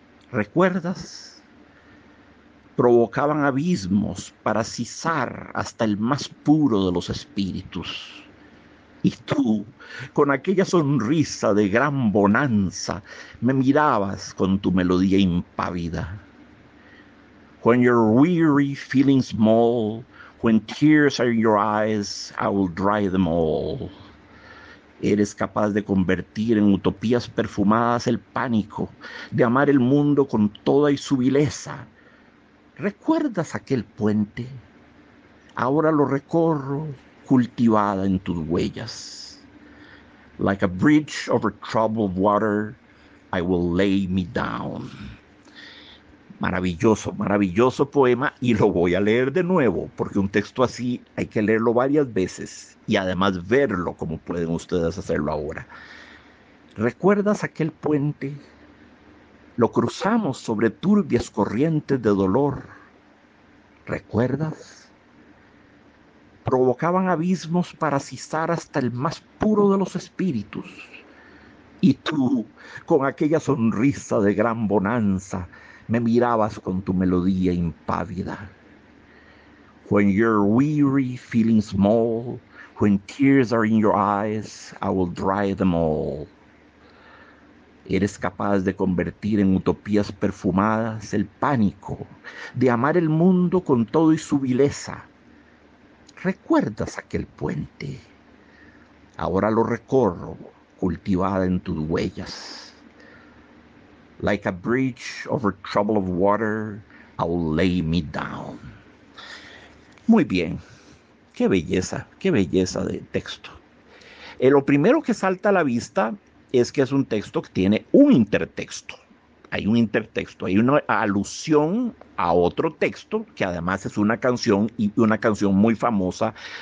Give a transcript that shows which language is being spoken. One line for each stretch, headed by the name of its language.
Spanish: ¿Recuerdas? Provocaban abismos para sizar hasta el más puro de los espíritus. Y tú, con aquella sonrisa de gran bonanza, me mirabas con tu melodía impávida.
English: When you're weary, feeling small, when tears are in your eyes, I will dry them all.
Spanish: Eres capaz de convertir en utopías perfumadas el pánico, de amar el mundo con toda y su vileza. ¿Recuerdas aquel puente? Ahora lo recorro, cultivada en tus huellas.
English: Like a bridge over troubled water, I will lay me down.
Spanish: Maravilloso, maravilloso poema, y lo voy a leer de nuevo, porque un texto así hay que leerlo varias veces y además verlo, como pueden ustedes hacerlo ahora. ¿Recuerdas aquel puente? Lo cruzamos sobre turbias corrientes de dolor. ¿Recuerdas? Provocaban abismos para sizar hasta el más puro de los espíritus. Y tú, con aquella sonrisa de gran bonanza, me mirabas con tu melodía impávida.
English: When you're weary, feeling small, when tears are in your eyes, I will dry them all.
Spanish: Eres capaz de convertir en utopías perfumadas el pánico, de amar el mundo con todo y su vileza. ¿Recuerdas aquel puente? Ahora lo recorro, cultivada en tus huellas.
English: Like a bridge over troubled water, I'll lay me down.
Spanish: Muy bien, qué belleza de texto. Lo primero que salta a la vista es que es un texto que tiene un intertexto. Hay un intertexto, hay una alusión a otro texto, que además es una canción y una canción muy famosa.